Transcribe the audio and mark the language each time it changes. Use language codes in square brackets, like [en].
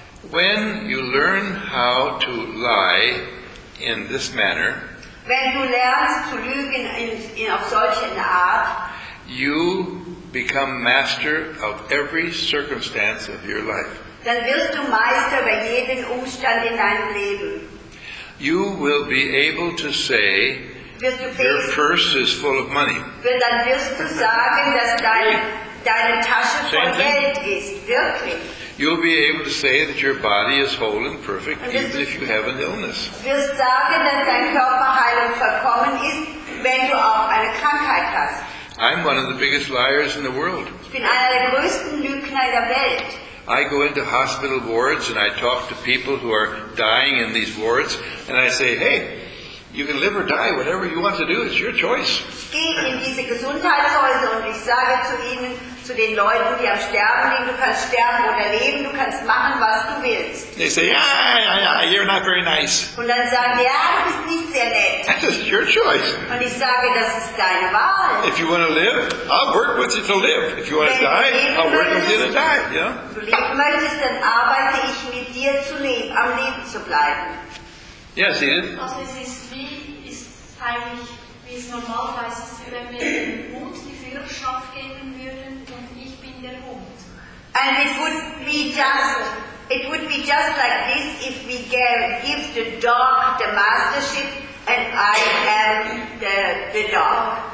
[en] when you learn how to lie in this manner, when you learn to lie in a such an art, you become master of every circumstance of your life. [de] Dann wirst du Meister bei jedem Umstand in deinem Leben. [en] You will be able to say, your purse is full of money. [de] Dann wirst du sagen, dass deine Tasche voll Geld ist, wirklich. [en] You'll be able to say that your body is whole and perfect, [de] und [en] even if you have an illness. [de] Wirst sagen, dass dein Körper heil und vollkommen ist, wenn du auch eine Krankheit hast. [en] I'm one of the biggest liars in the world. [de] Ich bin einer der größten Lügner der Welt. [en] I go into hospital wards and I talk to people who are dying in these wards and I say, hey, you can live or die, whatever you want to do, it's your choice. [de] Ich gehe in diese Gesundheitshäuser und ich sage zu ihnen, zu den Leuten, die am Sterben liegen, du kannst sterben oder leben, du kannst machen, was du willst. [en] They say, yeah, you're not very nice. [de] Und dann sagen die, ja, du bist nicht sehr nett. [en] That's your choice. [de] Und ich sage, das ist deine Wahl. [en] If you want to live, I'll work with you to live. If you want to die, I'll work with you to die. Yeah? [de] Wenn du leben möchtest, dann arbeite ich mit dir zu leben, am Leben zu bleiben. [en] Yes, Edith. [de] Also es ist eigentlich, wie es normal ist, wenn wir dem Hund die Führerschaft geben würden und ich bin der Hund. [en] And it would be just like this if we give the dog the mastership and I am the dog.